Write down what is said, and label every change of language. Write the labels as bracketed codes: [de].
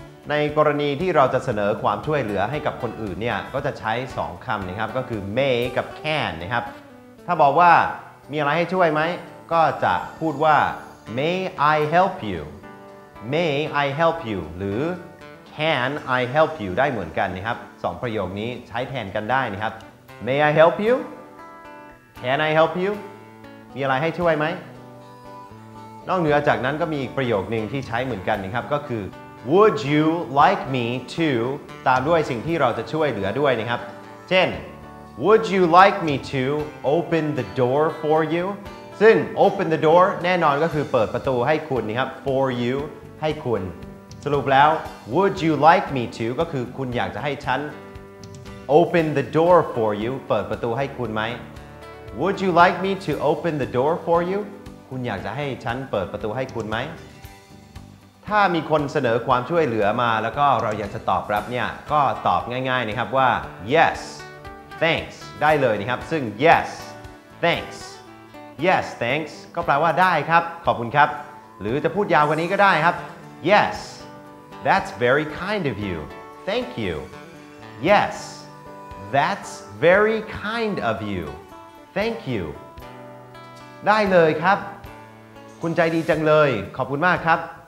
[th] ในกรณีที่เราจะเสนอความช่วยเหลือให้กับคนอื่นเนี่ยก็จะใช้2คำนะครับก็คือ may กับ can นะครับถ้าบอกว่ามีอะไรให้ช่วยไหมก็จะพูดว่า [en] may I help you [th] may I help you หรือ [en] can I help you [th] ได้เหมือนกันนะครับ2ประโยคนี้ใช้แทนกันได้นะครับ [en] may I help you [th] can I help you มีอะไรให้ช่วยไหมนอกเหนือจากนั้นก็มีอีกประโยคนึงที่ใช้เหมือนกันนะครับก็คือ [en] Would you like me to [th] ตามด้วยสิ่งที่เราจะช่วยเหลือด้วยนะครับเช่น [en] Would you like me to open the door for you [th] ซึ่ง [en] open the door [th] แน่นอนก็คือเปิดประตูให้คุณนะครับ [en] for you [th] ให้คุณสรุปแล้ว [en] Would you like me to [th] ก็คือคุณอยากจะให้ฉัน [en] open the door for you [th] เปิดประตูให้คุณไหม [en] Would you like me to open the door for you [th] คุณอยากจะให้ฉันเปิดประตูให้คุณไหมถ้ามีคนเสนอความช่วยเหลือมาแล้วก็เราอยากจะตอบรับเนี่ยก็ตอบง่ายๆนะครับว่า [en] yes thanks [th] ได้เลยนะครับซึ่ง [en] yes thanks yes thanks [th] ก็แปลว่าได้ครับขอบคุณครับหรือจะพูดยาวกว่านี้ก็ได้ครับ [en] yes that's very kind of you thank you yes that's very kind of you thank you [th] ได้เลยครับคุณใจดีจังเลยขอบคุณมากครับ